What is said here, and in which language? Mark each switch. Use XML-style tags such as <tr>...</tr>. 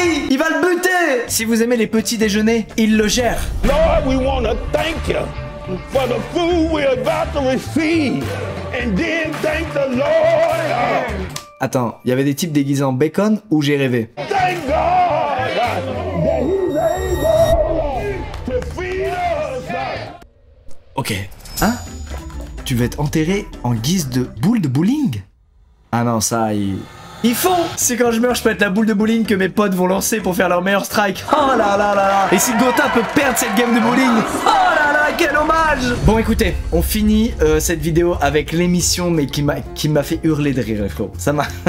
<fr>Il va le buter! Si vous aimez les petits déjeuners, il le gère.</fr> <en>Lord, we want to thank you for the food we're about to receive. And then thank the Lord.</en> <fr>Attends, il y avait des types déguisés en bacon ou j'ai rêvé?</fr> <en>Thank God that he's able to feed us. Ok. Hein?</en> <fr>Tu veux être enterré en guise de boule de bowling? Ah non, ça, il... Ils font! Si quand je meurs, je peux être la boule de bowling que mes potes vont lancer pour faire leur meilleur strike. Oh là là là là! Et si Gotha peut perdre cette game de bowling? Oh là là, quel hommage! Bon, écoutez, on finit cette vidéo avec l'émission, mais qui m'a fait hurler de rire, frérot. Ça m'a.</fr>